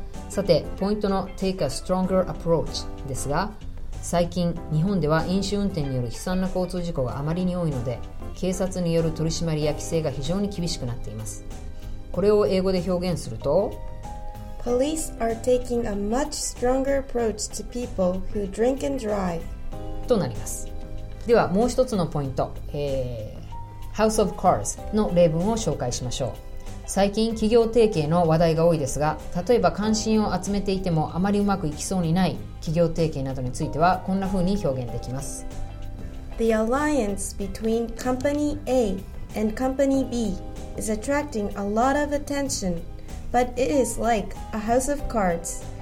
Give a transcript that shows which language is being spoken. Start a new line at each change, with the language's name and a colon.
Japanese: さて、ポイントの
English: Take a stronger approach
Japanese: ですが、最近日本では飲酒運転による悲惨な交通事故があまりに多いので、警察による取り締まりや規制が非常に厳しくなっています。これを英語で表現すると、
English: Police are taking a much stronger approach to people who drink and drive
Japanese: となります。ではもう一つのポイント、House of Cards の例文を紹介しましょう。最近企業提携の話題が多いですが、例えば関心を集めていてもあまりうまくいきそうにない企業提携などについてはこんな風に表現できます。
English: The alliance between company A and company B is attracting a lot of attention, but it is like a house of cards.